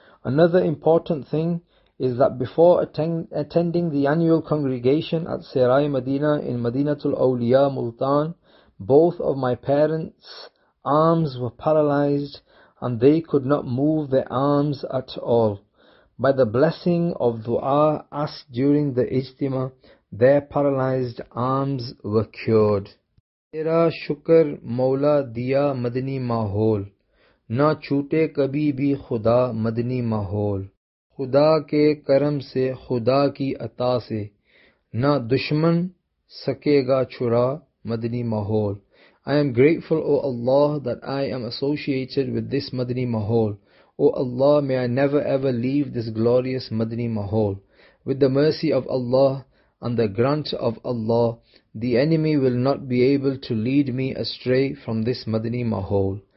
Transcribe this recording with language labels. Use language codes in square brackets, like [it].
[en] Another important thing is that before attending the annual congregation at Sirai Madina in Madinatul Awliya, Multan, both of my parents' arms were paralyzed, and they could not move their arms at all. By the blessing of dua asked during the ijtima, their paralyzed arms were cured. [ur] Tera shukar maula diya madani mahol, نہ چھوٹے کبھی بھی خدا مدنی ماحول، خدا کے کرم سے خدا کی عطا سے نہ دشمن سکے گا چھرا مدنی ماحول. [en] I am grateful, O Allah, that I am associated with this Madni Mahol. O Allah, may I never ever leave this glorious Madni Mahol. With the mercy of Allah and the grant of Allah, the enemy will not be able to lead me astray from this Madni Mahol.